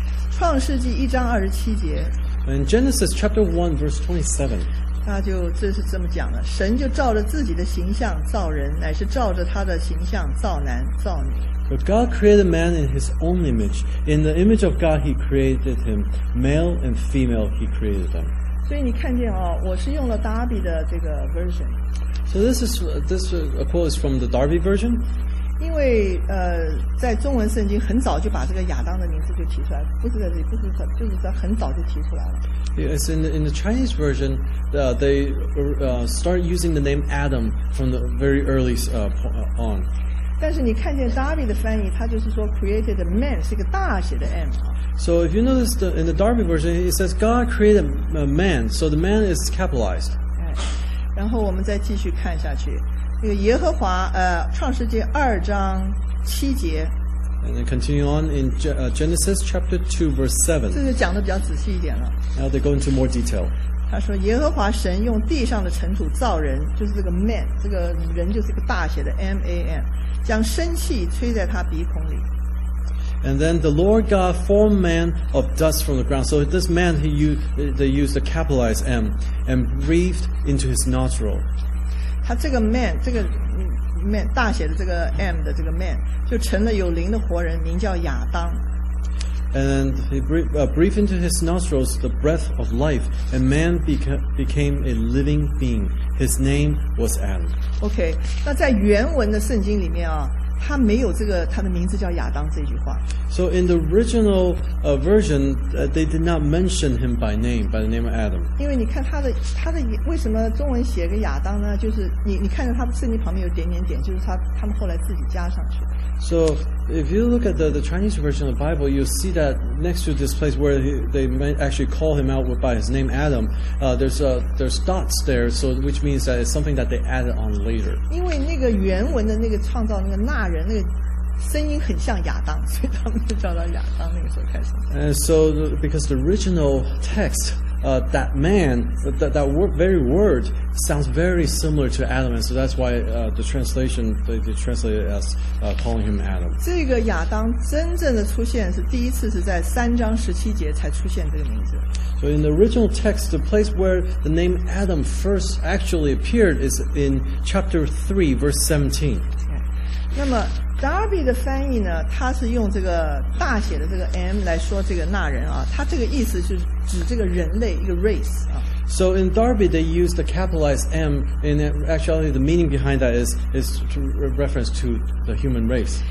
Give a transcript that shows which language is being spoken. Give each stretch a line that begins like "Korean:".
Chinese: 创世纪一章二十七节。
English: In Genesis chapter 1 verse 27.
Chinese: 他就这是这么讲的，神就照着自己的形象造人，乃是照着他的形象造男造女。
English: But God created man in His own image; in the image of God He created him, male and female He created them.
Chinese: 所以你看见哦，我是用了 Darby 的这个 version.
English: So this a quote is from the Darby version.
Chinese: 因为在中文圣经很早就把这个亚当的名字就提出来，不是在这里，不是在，就是在很早就提出来了。
English: Yes, in the Chinese version, they start using the name Adam from the very early on.
Chinese: 但是你看见 Darby 的翻译，他就是说
English: created man
Chinese: 是一个大写的 M。
English: So if you notice in the Darby version, it says God created a man, so the man is capitalized.
Chinese: 然后我们再继续看下去，那个耶和华创世纪二章七节。
English: And then continue on in Genesis chapter 2, verse 7.
Chinese: 这就讲得比较仔细一点了。
English: Now they go into more detail.
Chinese: 他说耶和华神用地上的尘土造人，就是这个 man, 这个人就是一个大写的 M-A-N, 将生气吹在他鼻孔里。
English: And then the Lord God formed man of dust from the ground. So this man, they used the capitalized M, and breathed into his nostril.
Chinese: 他这个 man, 这个Man, 大写的这个 M 的这个 man 就成了有灵的活人，名叫亚当。
English: And he breathed into his nostrils the breath of life, and man became a living being. His name was Adam.
Chinese: Okay, 那在原文的圣经里面啊，他没有这个他的名字叫亚当这句话。
English: So in the original version, they did not mention him by the name of Adam.
Chinese: 因为你看他的为什么中文写个亚当呢？就是你看着他的圣经旁边有点点点，就是他们后来自己加上去的。
English: So if you look at the Chinese version of the Bible, you'll see that next to this place where they actually call him out by his name Adam, there's dots there, so which means that it's something that they added on later.
Chinese: 因为那个原文的那个创造那个那人那个声音很像亚当，所以他们就叫到亚当那个时候开始。
English: And so because the original text, that man, that word, very word, sounds very similar to Adam, and so that's why the translation they translated it as calling him Adam.
Chinese: 这个亚当真正的出现是第一次是在三章十七节才出现这个名字。
English: So in the original text, the place where the name Adam first actually appeared is in chapter 3, verse 17.
Chinese: Okay. 那么Darby 的翻译呢，他是用这个大写的这个 M 来说这个那人啊，他这个意思是指这个人类一个 race 啊。
English: So in Darby, they use the capitalized M, and actually the meaning behind that is reference to the human race.